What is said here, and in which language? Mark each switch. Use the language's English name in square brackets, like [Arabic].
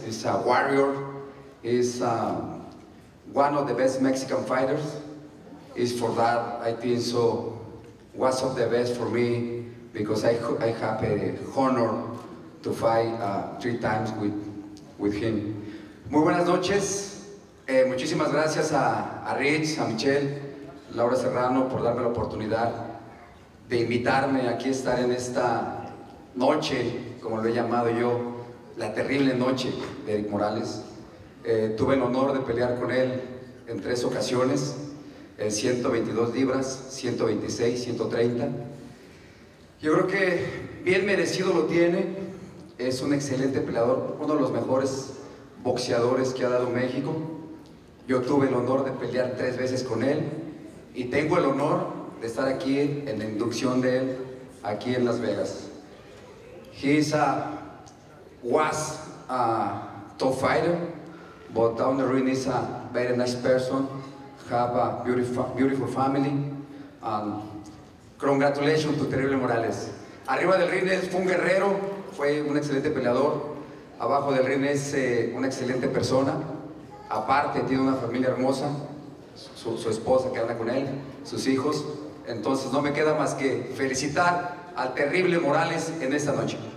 [English] He's a warrior. He's one of the best Mexican fighters. Is for that, I think so, one of the best for me because I have a honor to fight 3 times with him. [Spanish] Muy buenas noches. Muchísimas gracias a Rich, a Michelle, Laura Serrano por darme la oportunidad de invitarme aquí a estar en esta noche, como lo he llamado yo, la terrible noche de Eric Morales. Tuve el honor de pelear con él en 3 ocasiones, en 122 libras, 126, 130. Yo creo que bien merecido lo tiene. Es un excelente peleador, uno de los mejores boxeadores que ha dado México. Yo tuve el honor de pelear 3 veces con él y tengo el honor de estar aquí en la inducción de él, aquí en Las Vegas. [English] Was a tough fighter, but down the ring is a very nice person, have a beautiful family, and congratulations to Terrible Morales. [Spanish] Arriba del ring fue un guerrero, fue un excelente peleador, abajo del ring es una excelente persona, aparte tiene una familia hermosa, su esposa que anda con él, sus hijos, entonces no me queda más que felicitar al Terrible Morales en esta noche.